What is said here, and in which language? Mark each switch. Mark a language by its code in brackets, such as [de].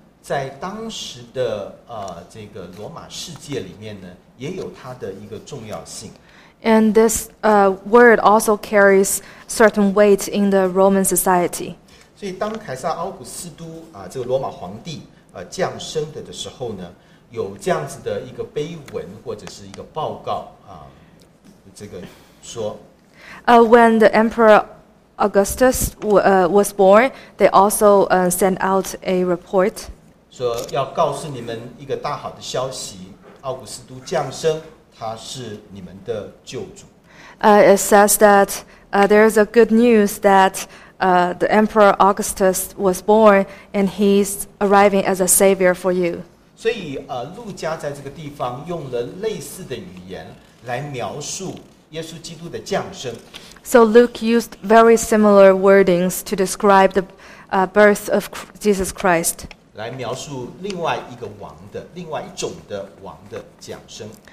[zh] 在当时的这个罗马世界里面呢，也有它的一个重要性。 [en] And this word also carries certain weight in the Roman society. [zh] 所以当凯撒奥古斯都这个罗马皇帝降生的时候呢，有这样子的一个碑文或者是一个报告这个说。 [en] When the Emperor Augustus was born, they also sent out a report. [zh] 说要告诉你们一个大好的消息，奥古斯都降生，他是你们的救主。 [en] It says that there is a good news that the Emperor Augustus was born and he's arriving as a savior for you. [zh] 所以路加在这个地方用了类似的语言来描述耶稣基督的降生。 [en] So Luke used very similar wordings to describe the birth of Jesus Christ. [zh] 来描述另外一个王的另外一种的王的降生。